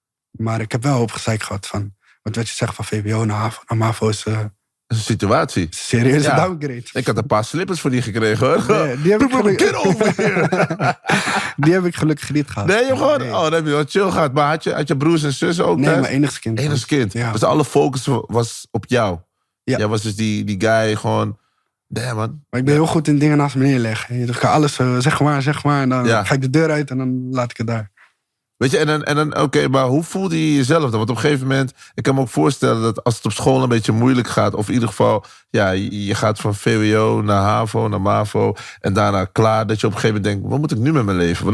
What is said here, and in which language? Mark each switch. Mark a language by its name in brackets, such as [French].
[Dutch] Maar ik heb wel op gezeik gehad van... Want wat je zegt van VWO naar HAVO, naar MAVO is... Dat is een situatie. Serieus, ja. Downgrade. Ik had een paar slippers voor die gekregen, hoor. Nee, die heb ik gelukkig... [English] Get over here. [Dutch] Die heb ik gelukkig niet gehad. Nee, joh, gewoon... Nee. Oh, dan heb je wel chill gehad. Maar had je broers en zussen ook? Nee, mijn enigste kind. Ja. Dus alle focus was op jou. Ja. Jij was dus die guy gewoon... Damn, man. Maar ik ben heel goed in dingen naast me neerleggen. Ik kan alles zeg maar. En dan ga ik de deur uit en dan laat ik het daar. Weet je, en dan oké, maar hoe voelde je jezelf dan? Want op een gegeven moment, ik kan me ook voorstellen dat als het op school een beetje moeilijk gaat, of in ieder geval, ja, je gaat van VWO naar HAVO, naar MAVO, en daarna klaar, dat je op een gegeven moment denkt, wat moet ik nu met mijn leven?